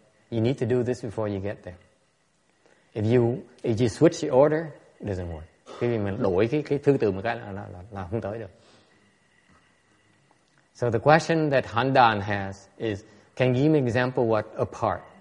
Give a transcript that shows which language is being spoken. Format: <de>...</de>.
<en>You need to do this before you get there. If you switch the order, it doesn't work.</en> <vi>Cái gì mà đổi cái thứ tự một cái là không tới được.</vi> <en>So the question that Handan has is, can you give me an example what apart?</en>